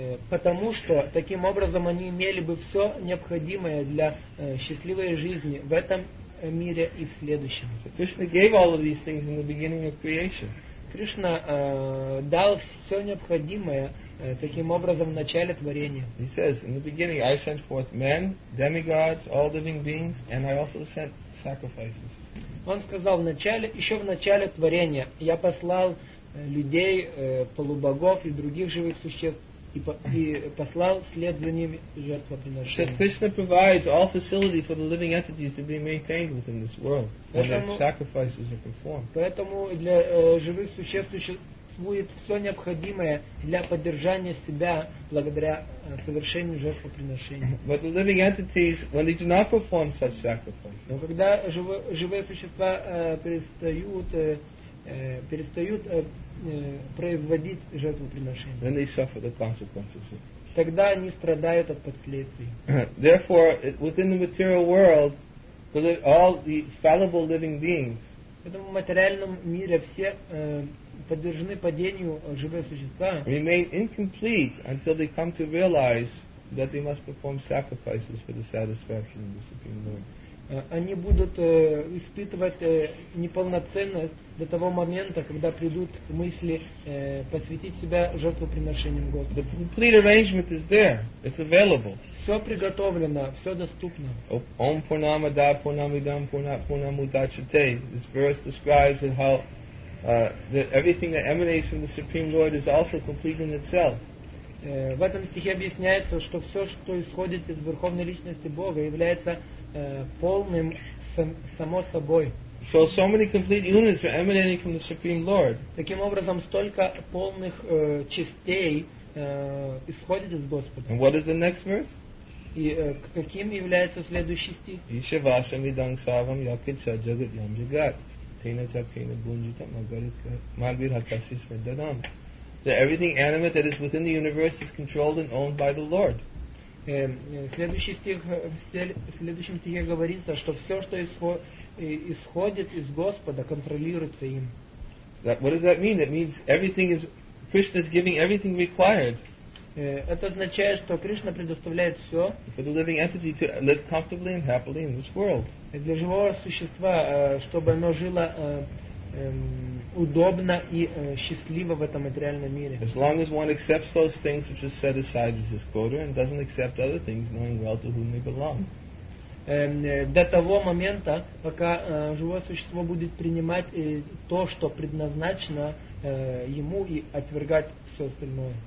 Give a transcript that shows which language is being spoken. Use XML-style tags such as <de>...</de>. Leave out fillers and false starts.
<ru>Потому что таким образом они имели бы все необходимое для счастливой жизни в этом мире и в следующем.</ru> <en>Krishna gave all of these things in the beginning of creation.</en> <ru>Кришна дал все необходимое таким образом в начале творения.</ru> <en>He says, in the beginning I sent forth men, demigods, all living beings, and I also sent sacrifices.</en> <ru>Он сказал в начале, еще в начале творения, я послал людей, полубогов и других живых существ и послал вслед за ними жертвоприношение.</ru> <en>So Krishna provides all facility for the living entities to be maintained within this world when their sacrifices are performed.</en> <ru>Поэтому для живых существ будет все необходимое для поддержания себя благодаря совершению жертвоприношения.</ru> <en>But the living entities, when they do not perform such sacrifices,</en> <ru>но когда живые существа перестают производить жертвоприношение,</ru> <en>then they suffer the consequences.</en> <ru>Тогда они страдают от последствий.</ru> <en>Therefore, within the material world, all the fallible living beings.</en> <ru>Поэтому в материальном мире все подвержены падению живые существа.</ru> <en>Remain incomplete until they come to realize that they must perform sacrifices for the satisfaction of the Supreme Lord.</en> <ru>Они будут испытывать неполноценность до того момента, когда придут мысли посвятить себя жертвоприношениям Господу.</ru> <en>The complete arrangement is there. It's available.</en> <ru>Все приготовлено, все доступно.</ru> <sa>Om Purnama Da Purnamidam Purnamudachate.</sa> <en>This verse describes it how that everything that emanates from the Supreme Lord is also complete in itself.</en> <ru>В этом стихе объясняется, что все, что исходит из Верховной Личности Бога, является полным само собой.</ru> <en>So many complete units are emanating from the Supreme Lord.</en> <ru>Таким образом, столько полных частей исходит из Господа.</ru> <en>And what is the next verse?</en> <ru>И каким является следующий стих?</ru> <sa>Ишеваса мидан савам якича джагат ям джагат. Тейна чак тейна бунджита магвир хакаси сведдадам.</sa> <en>That everything animate that is within the universe is controlled and owned by the Lord.</en> <ru>Следующем стихе говорится, что все, что исходит из Господа, контролируется им.</ru> <en>What does that mean? It means everything is Krishna is giving everything required.</en> <ru>Это означает, что Кришна предоставляет все.</ru> <en>For the living entity to live comfortably and happily in this world.</en> <ru>Для живого существа, чтобы оно жило удобно и счастливо в этом материальном мире.</ru> <en>As long as one accepts those things which are set aside as his quota and doesn't accept other things, knowing well to whom they belong.</en> <ru>До того момента, пока живое существо будет принимать то, что предназначено ему, и отвергать все остальное.</ru>